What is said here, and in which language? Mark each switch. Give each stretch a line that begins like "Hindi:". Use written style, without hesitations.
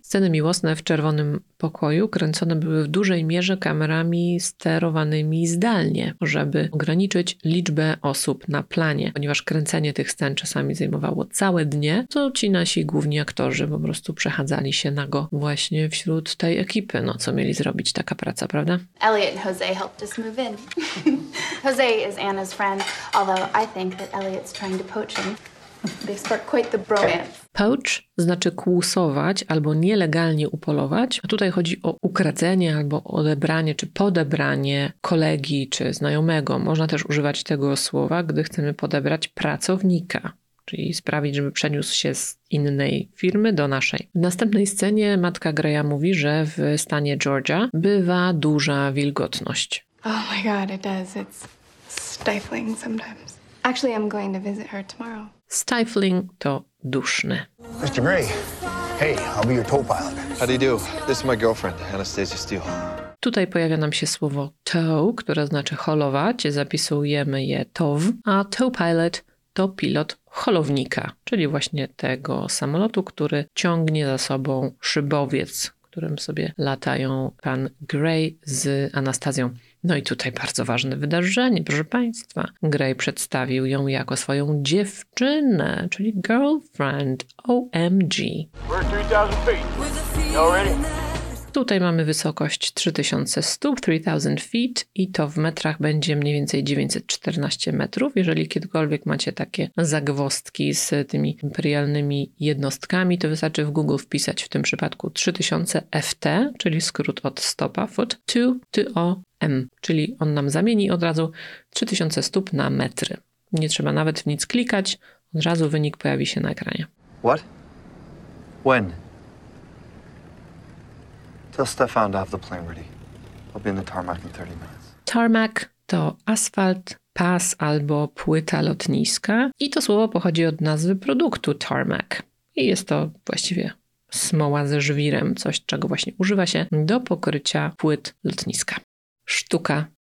Polish: Sceny miłosne w czerwonym pokoju kręcone były w dużej mierze kamerami sterowanymi zdalnie, żeby ograniczyć liczbę osób na planie, ponieważ kręcenie tych scen czasami zajmowało całe dnie, to ci nasi główni aktorzy po prostu przechadzali się nago właśnie wśród tej ekipy. No, co mieli zrobić? Taka praca, prawda?
English: Elliot and Jose helped us move in. Jose is Anna's friend, although I think that Elliot's trying to poach him. They spark quite the bromance.
Polish: Poach znaczy kłusować albo nielegalnie upolować. A tutaj chodzi o ukradzenie albo odebranie czy podebranie kolegi czy znajomego. Można też używać tego słowa, gdy chcemy podebrać pracownika, czyli sprawić, żeby przeniósł się z innej firmy do naszej. W następnej scenie matka Greya mówi, że w stanie Georgia bywa duża wilgotność.
English: Oh my god, it does. It's stifling sometimes. Actually, I'm going to visit her tomorrow.
Polish: Stifling to duszne.
English: Mr. Gray, hey, I'll be your tow pilot. How do you do? This is my girlfriend, Anastasia Steele.
Polish: Tutaj pojawia nam się słowo tow, które znaczy holować. Zapisujemy je tow, a tow pilot to pilot holownika, czyli właśnie tego samolotu, który ciągnie za sobą szybowiec, którym sobie latają pan Gray z Anastazją. No i tutaj bardzo ważne wydarzenie, proszę Państwa. Gray przedstawił ją jako swoją dziewczynę, czyli girlfriend.
English: OMG. We're 3,000 feet. Y'all ready?
Polish: Tutaj mamy wysokość 3000 stóp, 3000 feet, i to w metrach będzie mniej więcej 914 metrów. Jeżeli kiedykolwiek macie takie zagwostki z tymi imperialnymi jednostkami, to wystarczy w Google wpisać w tym przypadku 3000 FT, czyli skrót od stopa, foot, 2TOM, czyli on nam zamieni od razu 3000 stóp na metry. Nie trzeba nawet w nic klikać, od razu wynik pojawi się na ekranie.
English: What? When? Tell Stefan to have the plane ready. I'll be in the tarmac in 30 minutes.
Polish: Tarmac to asfalt, pas albo płyta lotniska. I to słowo pochodzi od nazwy produktu tarmac. I jest to właściwie smoła ze żwirem, coś czego właśnie używa się do pokrycia płyt lotniska. Sztuka.